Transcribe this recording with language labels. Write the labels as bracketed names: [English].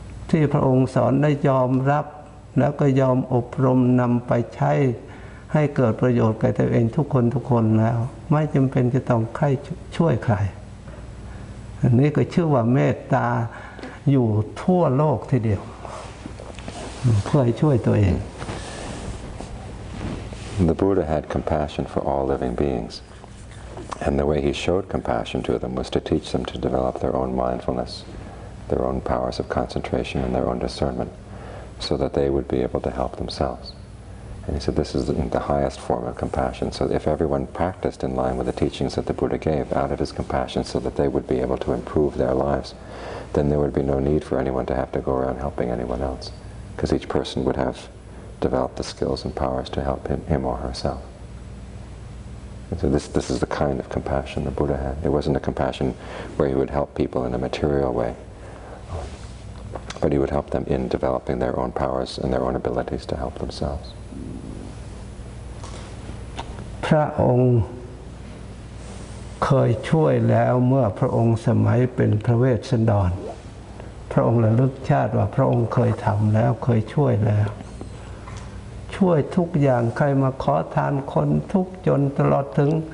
[Thai] ที่พระองค์สอนได้ยอมรับแล้วก็ยอมอบรมนำไปใช้ให้เกิดประโยชน์แก่ตัวเองทุกคนแล้วไม่จำเป็นจะต้องใครช่วยใครอันนี้ก็ชื่อว่าเมตตาอยู่ทั่วโลกทีเดียวเพื่อช่วยตัวเอง [English] The Buddha had compassion for all living beings, and the way he showed compassion to them was to teach them to develop their own mindfulness, their own powers of concentration, and their own discernment, so that they would be able to help themselves. And he said this is the highest form of compassion. So if everyone practiced in line with the teachings that the Buddha gave out of his compassion so that they would be able to improve their lives, then there would be no need for anyone to have to go around helping anyone else, because each person would have developed the skills and powers to help him or herself. And so this is the kind of compassion the Buddha had. It wasn't a compassion where he would help people in a material way, but he would help them in developing their own powers and their own abilities to help themselves. [Thai] พระองค์เคยช่วยแล้วเมื่อพระองค์สมัยเป็นพระเวสสันดรพระองค์ระลึกชาติว่าพระองค์เคยทำแล้วเคยช่วยแล้วช่วยทุกอย่างใครมาขอทานคนทุกจนตลอดถึง